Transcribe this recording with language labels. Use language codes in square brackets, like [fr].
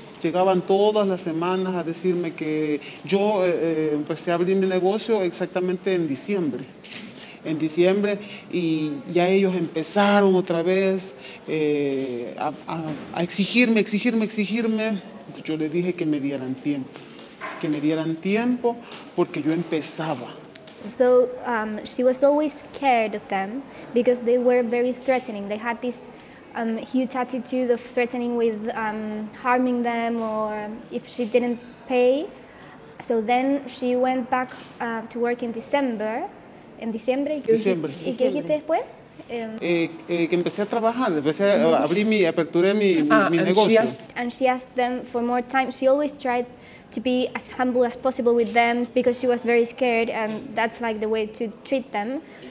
[es] Llegaban todas las semanas a decirme que yo empecé a abrir mi negocio exactamente en diciembre. en diciembre y ya ellos empezaron otra vez a exigirme. Yo les dije que me dieran tiempo, que me dieran tiempo porque yo empezaba. [en] So she was always scared of them because they were very threatening. They had this huge attitude of threatening with harming them or if she didn't pay. So then she went back to work in December. [es] En diciembre. [en] December. [es] ¿Y qué dijiste después? Que empecé a trabajar, empecé a abrir mi, aperturé mi, mi negocio. [en] And she asked them for more time. She always tried to be as humble as possible with them because she was very scared and that's like the way to treat them.